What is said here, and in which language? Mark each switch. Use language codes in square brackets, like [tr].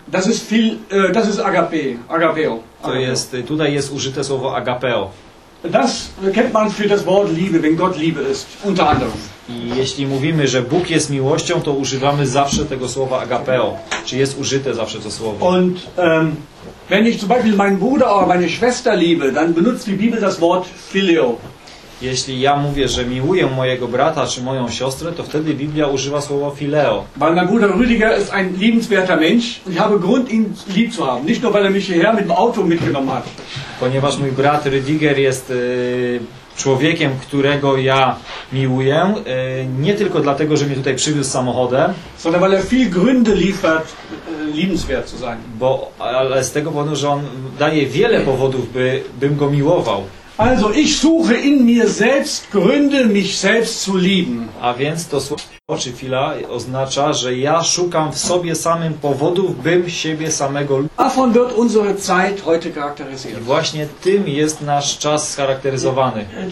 [de] das ist viel, das ist agape, agapeo. [pl] To jest, tutaj jest użyte słowo agapeo. [de] Das kennt man für das Wort Liebe, wenn Gott Liebe ist, unter anderem. [pl] I jeśli mówimy, że Bóg jest miłością, to używamy zawsze tego słowa agapeo, czyli jest użyte zawsze to słowo. [de] Und wenn ich zum Beispiel meinen Bruder oder meine Schwester liebe, dann benutzt die Bibel das Wort Philo. [pl] Jeśli ja mówię, że miłuję mojego brata czy moją siostrę, to wtedy Biblia używa słowa Phileo. [de] Weil mein Bruder Rüdiger ist ein liebenswerter Mensch und ich habe Grund ihn lieb zu haben, nicht nur weil er mich hierher mit dem Auto mitgenommen hat. [pl] Ponieważ mój brat Rüdiger jest człowiekiem, którego ja miłuję, nie tylko dlatego, że mnie tutaj przywiózł samochodem, [de] sondern weil er viel Gründe liefert, liebenswert zu sein. [pl] Bo ale z tego powodu, że on daje wiele powodów, bym go miłował. [de] Also ich suche in mir selbst Gründe, mich selbst zu lieben. [pl] A więc to słowo czy fila oznacza, że ja szukam w sobie samym powodów, bym siebie samego lubił. [de] Davon wird unsere Zeit heute charakterisiert. [pl] I właśnie tym jest nasz czas scharakteryzowany.